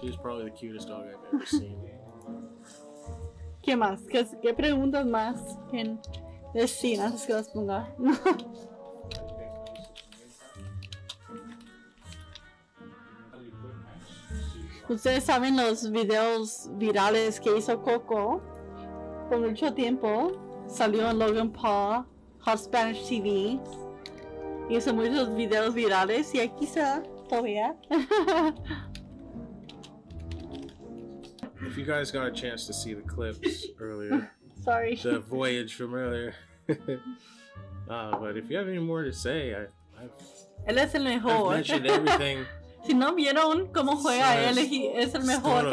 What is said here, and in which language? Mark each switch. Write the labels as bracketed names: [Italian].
[English] She's probably the cutest dog I've ever seen. [Spanish] ¿Qué más? ¿Qué preguntas más que decir antes que las ponga? Ustedes saben los videos virales que hizo Coco por mucho tiempo. Salió en Logan Paul, Hot Spanish TV. Hizo muchos videos virales y aquí está todavía. [English] If you guys got a chance to see the clips earlier, sorry, the voyage from earlier, but if you have any more to say, I've mentioned everything. [Spanish] Si no vieron cómo juega él, es el mejor Stonos.